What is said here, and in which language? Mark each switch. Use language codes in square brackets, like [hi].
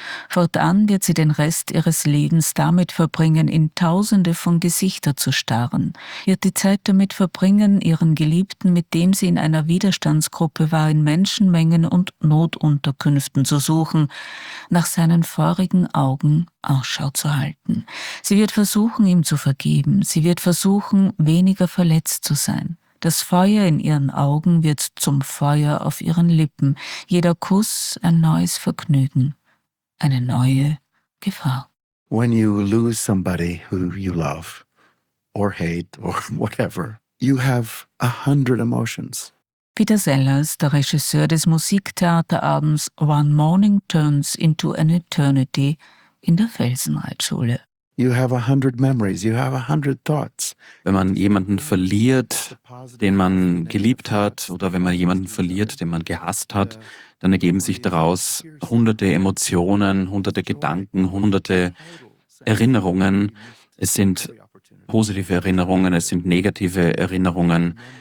[de] Fortan wird sie den Rest ihres Lebens damit verbringen, in Tausende von Gesichtern zu starren, wird die Zeit damit verbringen, ihren Geliebten, mit dem sie in einer Widerstandsgruppe war, in Menschenmengen und Notunterkünften zu suchen, nach seinen feurigen Augen Ausschau zu halten. Sie wird versuchen, ihm zu vergeben, sie wird versuchen, weniger verletzt zu sein. Das Feuer in ihren Augen wird zum Feuer auf ihren Lippen, jeder Kuss ein neues Vergnügen. Eine neue Gefahr. [en] When you lose somebody who you love or hate or whatever, you have 100 emotions. [de] Peter Sellers, der Regisseur des Musiktheaterabends One Morning Turns into an Eternity in der Felsenreitschule. [en] You have 100 memories, you have 100 thoughts. [de] Wenn man jemanden verliert, den man geliebt hat, oder wenn man jemanden verliert, den man gehasst hat, dann ergeben sich daraus hunderte Emotionen, hunderte Gedanken, hunderte Erinnerungen. Es sind positive Erinnerungen, es sind negative Erinnerungen.